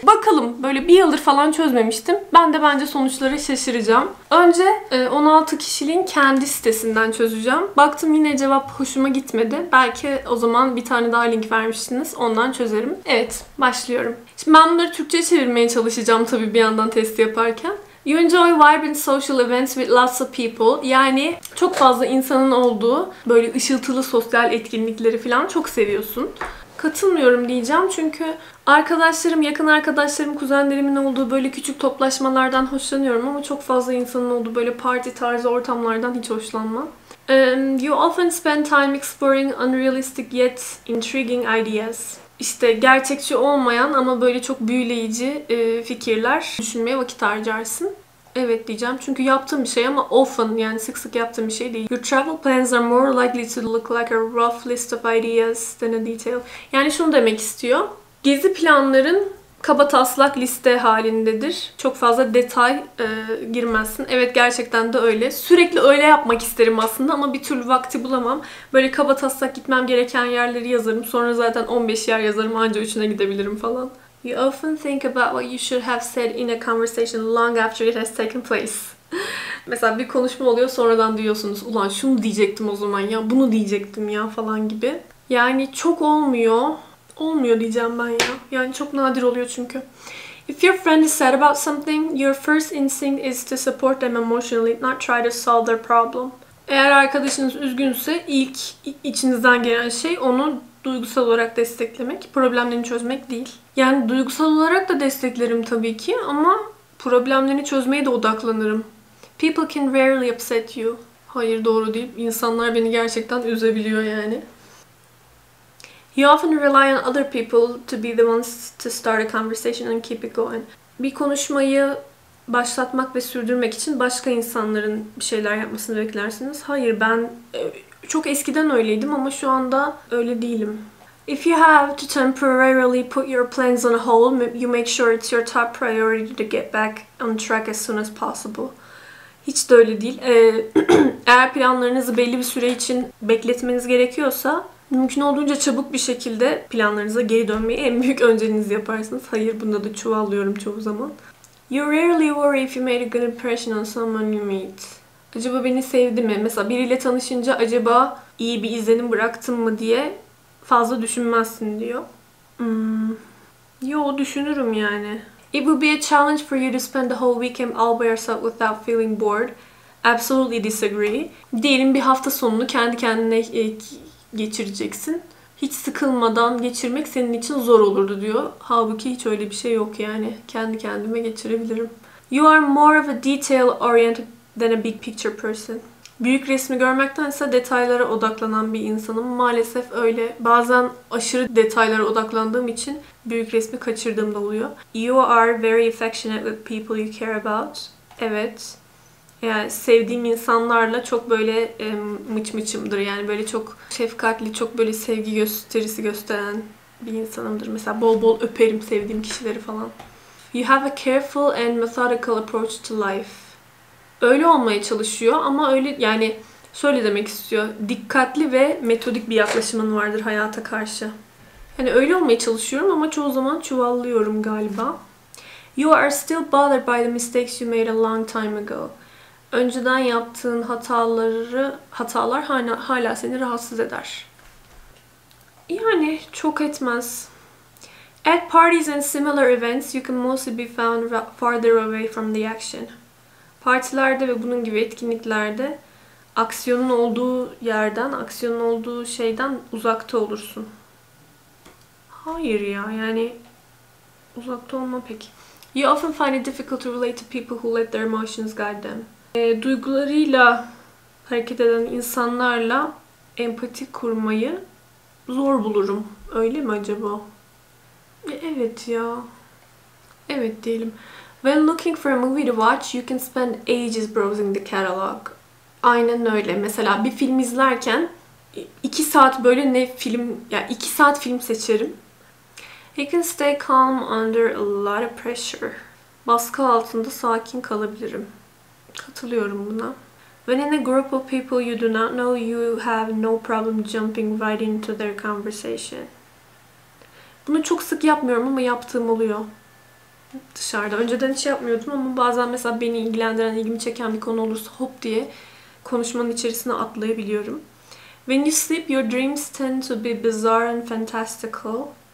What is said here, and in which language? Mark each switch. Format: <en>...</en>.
<tr>Bakalım, böyle bir yıldır falan çözmemiştim. Ben de bence sonuçları şaşıracağım. Önce 16 kişiliğin kendi sitesinden çözeceğim. Baktım yine cevap hoşuma gitmedi. Belki o zaman bir tane daha link vermiştiniz, ondan çözerim. Evet, başlıyorum. Şimdi ben bunları Türkçe çevirmeye çalışacağım tabii bir yandan testi yaparken.</tr> <en>You enjoy vibrant social events with lots of people.</en> <tr>Yani çok fazla insanın olduğu böyle ışıltılı sosyal etkinlikleri falan çok seviyorsun. Katılmıyorum diyeceğim çünkü arkadaşlarım, yakın arkadaşlarım, kuzenlerimin olduğu böyle küçük toplaşmalardan hoşlanıyorum ama çok fazla insanın olduğu böyle parti tarzı ortamlardan hiç hoşlanmam.</tr> <en>You often spend time exploring unrealistic yet intriguing ideas.</en> <tr>İşte gerçekçi olmayan ama böyle çok büyüleyici fikirler düşünmeye vakit harcarsın. Evet diyeceğim. Çünkü yaptığım bir şey ama often, yani sık sık yaptığım bir şey değil.</tr> <en>Your travel plans are more likely to look like a rough list of ideas than a detail.</en> <tr>Yani şunu demek istiyor. Gezi planların kaba taslak liste halindedir. Çok fazla detay girmezsin. Evet gerçekten de öyle. Sürekli öyle yapmak isterim aslında ama bir türlü vakti bulamam. Böyle kaba taslak gitmem gereken yerleri yazarım. Sonra zaten 15 yer yazarım. Anca 3'üne gidebilirim falan.</tr> <en>You often think about what you should have said in a conversation long after it has taken place.</en> <tr>Mesela bir konuşma oluyor, sonradan diyorsunuz, ulan şunu diyecektim o zaman ya, bunu diyecektim ya falan gibi. Yani çok olmuyor. Olmuyor diyeceğim ben ya. Yani çok nadir oluyor çünkü.</tr> <en>If your friend is sad about something, your first instinct is to support them emotionally, not try to solve their problem.</en> <tr>Eğer arkadaşınız üzgünse ilk içinizden gelen şey onu duygusal olarak desteklemek, problemlerini çözmek değil. Yani duygusal olarak da desteklerim tabii ki ama problemlerini çözmeye de odaklanırım.</tr> <en>People can rarely upset you.</en> <tr>Hayır doğru değil. İnsanlar beni gerçekten üzebiliyor yani.</tr> <en>You often rely on other people to be the ones to start a conversation and keep it going.</en> <tr>Bir konuşmayı başlatmak ve sürdürmek için başka insanların bir şeyler yapmasını beklersiniz. Hayır, ben çok eskiden öyleydim ama şu anda öyle değilim.</tr> <en>If you have to temporarily put your plans on hold, you make sure it's your top priority to get back on track as soon as possible.</en> <tr>Hiç de öyle değil. Eğer planlarınızı belli bir süre için bekletmeniz gerekiyorsa, mümkün olduğunca çabuk bir şekilde planlarınıza geri dönmeyi en büyük önceliğiniz yaparsınız. Hayır, bunda da çuvallıyorum çoğu zaman.</tr> <en>You rarely worry if you made a good impression on someone you meet.</en> <tr>Acaba beni sevdi mi? Mesela biriyle tanışınca acaba iyi bir izlenim bıraktım mı diye fazla düşünmezsin diyor. Yo, düşünürüm yani.</tr> <en>It would be a challenge for you to spend the whole weekend all by yourself without feeling bored. Absolutely disagree.</en> <tr>Diyelim bir hafta sonunu kendi kendine geçireceksin. Hiç sıkılmadan geçirmek senin için zor olurdu diyor. Halbuki hiç öyle bir şey yok yani. Kendi kendime geçirebilirim.</tr> <en>You are more of a detail oriented than a big picture person.</en> <tr>Büyük resmi görmektense detaylara odaklanan bir insanım. Maalesef öyle. Bazen aşırı detaylara odaklandığım için büyük resmi kaçırdığım da oluyor.</tr> <en>You are very affectionate with people you care about.</en> <tr>Evet. Yani sevdiğim insanlarla çok böyle mıç mıçımdır. Yani böyle çok şefkatli, çok böyle sevgi gösterisi gösteren bir insanımdır. Mesela bol bol öperim sevdiğim kişileri falan.</tr> <en>You have a careful and methodical approach to life.</en> <tr>Öyle olmaya çalışıyor ama öyle, yani şöyle demek istiyor. Dikkatli ve metodik bir yaklaşımın vardır hayata karşı. Yani öyle olmaya çalışıyorum ama çoğu zaman çuvallıyorum galiba.</tr> <en>You are still bothered by the mistakes you made a long time ago.</en> <tr>Önceden yaptığın hatalar hala seni rahatsız eder. Yani çok etmez.</tr> <en>At parties and similar events, you can mostly be found farther away from the action.</en> <tr>Partilerde ve bunun gibi etkinliklerde aksiyonun olduğu yerden, aksiyonun olduğu şeyden uzakta olursun. Hayır ya, yani uzakta olma pek.</tr> <en>You often find it difficult to relate to people who let their emotions guide them.</en> <tr>Duygularıyla hareket eden insanlarla empati kurmayı zor bulurum. Öyle mi acaba? Evet ya. Evet diyelim.</tr> <en>When looking for a movie to watch, you can spend ages browsing the catalog.</en> <tr>Aynen öyle. Mesela bir film izlerken 2 saat böyle ne film, ya 2 saat film seçerim.</tr> <en>You can stay calm under a lot of pressure.</en> <tr>Baskı altında sakin kalabilirim. Katılıyorum buna.</tr> <en>When in a group of people you do not know, you have no problem jumping right into their conversation.</en> <tr>Bunu çok sık yapmıyorum ama yaptığım oluyor. Dışarıda. Önceden hiç yapmıyordum ama bazen mesela beni ilgilendiren, ilgimi çeken bir konu olursa hop diye konuşmanın içerisine atlayabiliyorum.</tr> <en>When you sleep, your dreams tend to be bizarre and fantastical.</en>